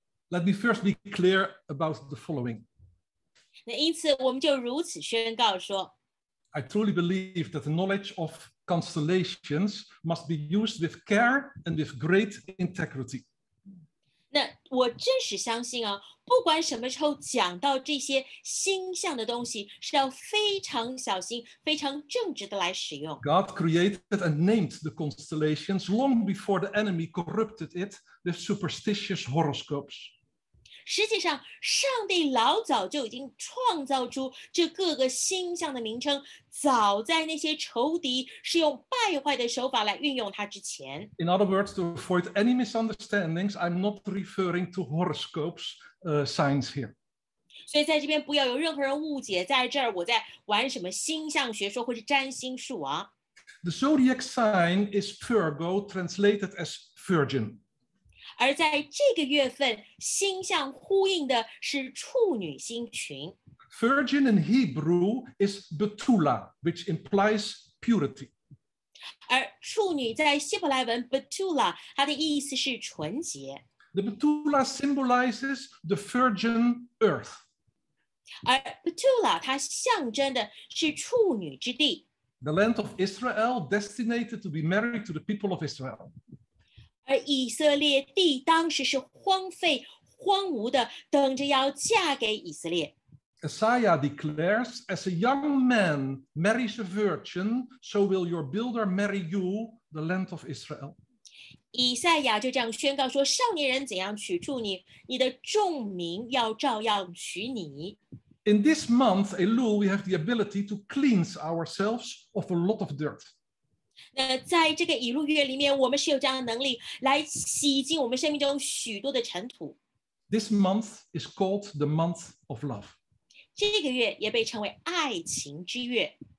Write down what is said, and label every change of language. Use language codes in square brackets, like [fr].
[en] Let me first be clear about the following. [zh] 那因此我们就如此宣告说 [en] I truly believe that the knowledge of constellations must be used with care and with great integrity. 那 [zh] 我真实相信啊，不管什么时候讲到这些星象的东西，是要非常小心、非常正直的来使用。 [en] God created and named the constellations long before the enemy corrupted it with superstitious horoscopes. [zh] 实际上，上帝老早就已经创造出这各个星象的名称，早在那些仇敌是用败坏的手法来运用它之前。 [en] In other words, to avoid any misunderstandings, I'm not referring to horoscopes. Signs here. [zh] 所以在这边不要有任何人误解，在这儿我在玩什么星象学说或是占星术啊。 [en] The zodiac sign is Virgo, translated as Virgin. [zh] 而在这个月份，星象呼应的是处女星群。 [en] Virgin in Hebrew is Betula, which implies purity. [zh] 而处女在希伯来文 Betula, 它的意思是纯洁。 [en] The Betula symbolizes the virgin earth. [zh] 而 Betula 它象征的是处女之地。 [en] The land of Israel, destined to be married to the people of Israel. [zh] 而以色列地当时是荒废、荒芜的，等着要嫁给以色列。 [en] Isaiah declares, as a young man marries a virgin, so will your builder marry you, the land of Israel. [zh] 以赛亚就这样宣告说，少年人怎样娶住你，你的众民要照样娶你。 [en] In this month, Elul, we have the ability to cleanse ourselves of a lot of dirt. [zh] 那在这个以路月里面，我们是有这样的能力来洗净我们生命中许多的尘土。 [en] This month is called the month of love. [zh] 这个月也被称为爱情之月。